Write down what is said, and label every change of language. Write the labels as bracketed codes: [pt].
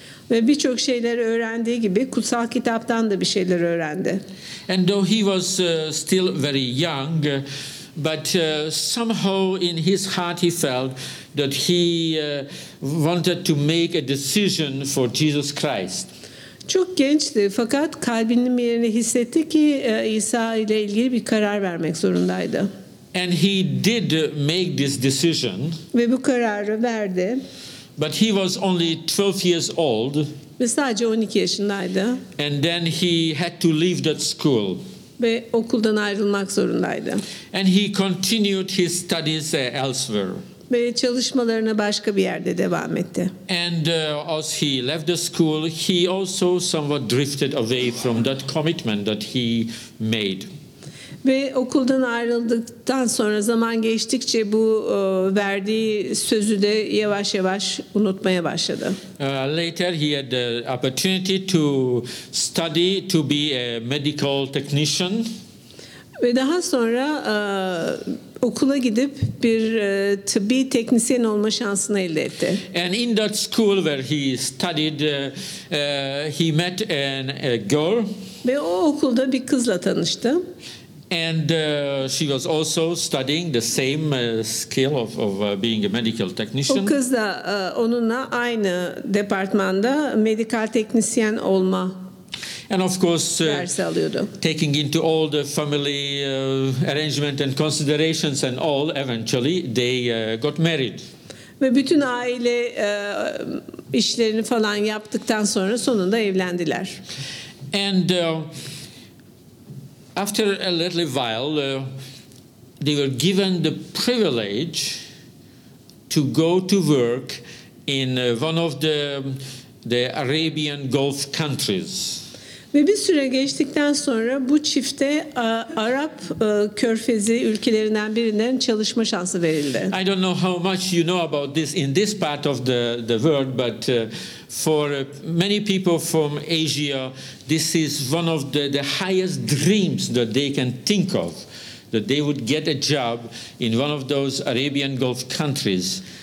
[tr] Ve birçok şeyleri öğrendiği gibi kutsal kitaptan da bir şeyler öğrendi. [en] And though he was still very young, but somehow in his heart he felt that he wanted to make a decision for Jesus Christ. [tr] Çok gençti fakat kalbinin bir yerini hissetti ki İsa ile ilgili bir karar vermek zorundaydı. [en] And he did make this decision. [tr] Ve bu kararı verdi. [en] But he was only 12 years old. [tr] Ve sadece 12 yaşındaydı. [en] And then he had to leave that school. [tr] Ve okuldan ayrılmak zorundaydı. [en] And he continued his studies elsewhere. [tr] Ve çalışmalarına başka bir yerde devam etti. [en] And as he left the school, he also somewhat drifted away from that commitment that he made. [tr] Ve okuldan ayrıldıktan sonra zaman geçtikçe bu verdiği sözü de yavaş yavaş unutmaya başladı. [en] Later he had the opportunity to study to be a medical technician. [tr] Ve daha sonra okula gidip bir tıbbi teknisyen olma şansını elde etti. [en] And in that school where he studied, he met a girl. [tr] Ve o okulda bir kızla tanıştı. [en] And she was also studying the same skill of being a medical technician. [tr] O kız da onunla aynı departmanda medikal teknisyen olma. [en] And of course, taking into all the family arrangement and considerations and all, eventually they got married. [tr] Ve bütün aile işlerini falan yaptıktan sonra sonunda evlendiler. [en] And after a little while they were given the privilege to go to work in one of the Arabian Gulf countries. [tr] Ve bir süre geçtikten sonra bu çifte Arap Körfezi ülkelerinden birinden çalışma şansı verildi. [en] I don't know how much you know about this in this part of the world, but for many people from Asia, this is one of the highest dreams that they can think of, that they would get a job in one of those Arabian Gulf countries.